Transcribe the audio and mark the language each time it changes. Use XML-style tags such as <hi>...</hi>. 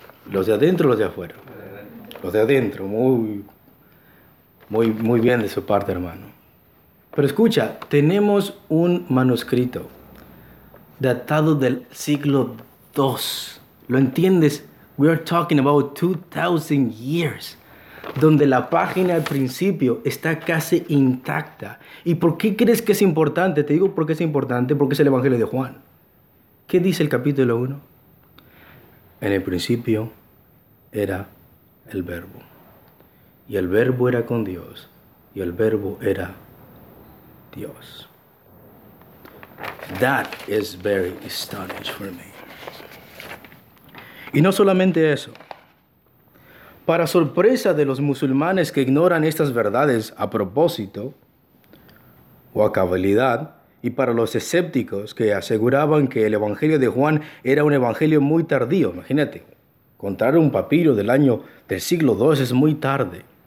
<es>¿Los de adentro o los de afuera? Los de adentro, muy, muy, muy bien de su parte, hermano. Pero escucha, tenemos un manuscrito datado del siglo II. ¿Lo entiendes?</es> <en>We are talking about 2,000 years.</en> <es>Donde la página al principio está casi intacta. ¿Y por qué crees que es importante? Te digo por qué es importante, porque es el Evangelio de Juan. ¿Qué dice el capítulo 1? En el principio era el Verbo. Y el Verbo era con Dios. Y el Verbo era Dios.</es> <en>That is very astonishing for me.</en> <es>Y no solamente eso. Para sorpresa de los musulmanes que ignoran estas verdades a propósito o a cabalidad, y para los escépticos que aseguraban que el Evangelio de Juan era un evangelio muy tardío, imagínate, encontrar un papiro del año del siglo II es muy tarde.</es>